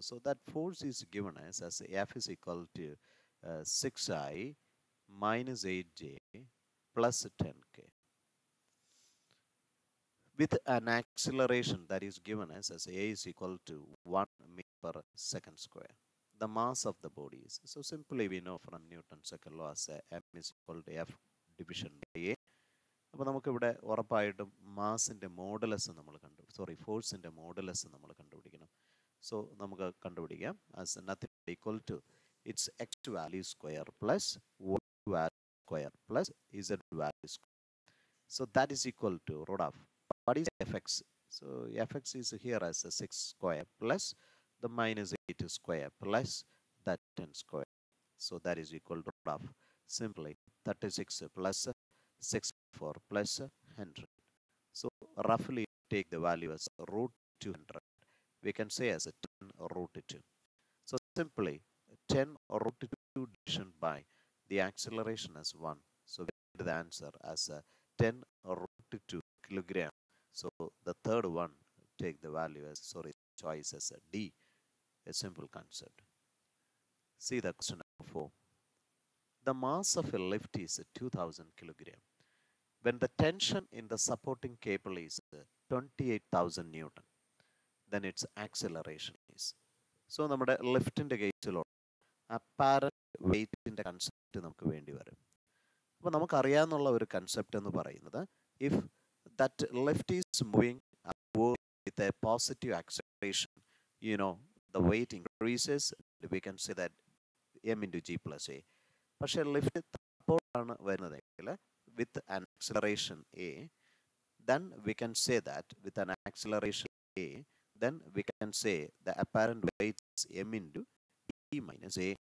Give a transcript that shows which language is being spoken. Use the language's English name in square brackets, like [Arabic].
[English] So that force is given as F is equal to 6i minus 8j plus 10k. With an acceleration that is given as A is equal to 1 meter per second square. The mass of the body is. So simply we know from Newton's second law as M is equal to F division by A. [Malayalam] അപ്പോൾ നമുക്ക് ഇവിടെ ഉറപ്പായിട്ടും മാസിൻ്റെ modulus നമ്മൾ കണ്ടു sorry ഫോഴ്സിൻ്റെ modulus നമ്മൾ കണ്ടുപിടിക്കണം. [English] so [Malayalam] നമുക്ക് കണ്ടുപിടിക്കാം [English] As nothing equal to its x value square plus y value square plus z value square. So that is equal to root of what is f x. So f x is here as a six square plus the minus eight square plus that ten square. So that is equal to root of simply 36 plus 64 plus 100. So roughly take the value as root 200. We can say as a 10 root 2. So simply 10 root 2 division by the acceleration as 1. So we get the answer as a 10 root 2 kilogram. So the third one take the value as choice as a D. A simple concept. See the question number 4. The mass of a lift is 2000 kilogram. When the tension in the supporting cable is 28,000 newton, then its acceleration is. [Malayalam] So, നമ്മുടെ ലിഫ്റ്റിന്റെ കേസിലുള്ള apparent weightിന്റെ concept നമുക്ക് വേണ്ടി വരും. അപ്പോൾ നമുക്ക് അറിയാവുന്ന ഒരു concept എന്ന് പറയുന്നത് [English] If that lift is moving with a positive acceleration you know the weight increases we can say that m into g plus a. [Malayalam] പക്ഷേ ലിഫ്റ്റ് തപ്പോഴാണ് വരുന്നതെങ്കിൽ [English] with an acceleration a, then we can say that with an acceleration a, then we can say the apparent weight is m into e minus a.